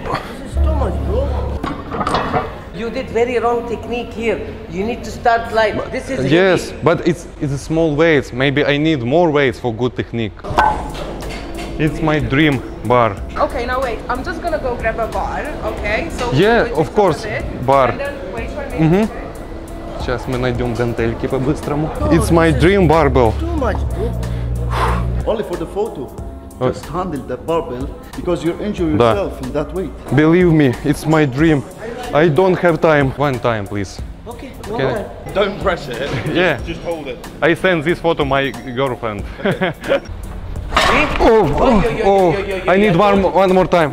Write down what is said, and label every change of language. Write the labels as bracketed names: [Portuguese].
[English] This is too much, bro. You did very wrong technique here. You need to start light. But, this is... Yes, unique. But it's a small weights. Maybe I need more weights for good technique. It's my dream bar. Okay, now wait. I'm just gonna go grab a bar, okay? So yeah, of course, bar. And then wait for me. Mm-hmm. [Russian] Сейчас мы найдем гантельки по-быстрому. [English] It's my dream barbell. Too much, bro. Only for the photo. Just handle the barbell because you're injuring yourself in that weight. Believe me, it's my dream. I don't have time. One time, please. Okay. Don't press it. Yeah. Just hold it. I send this photo my girlfriend. I need one more time,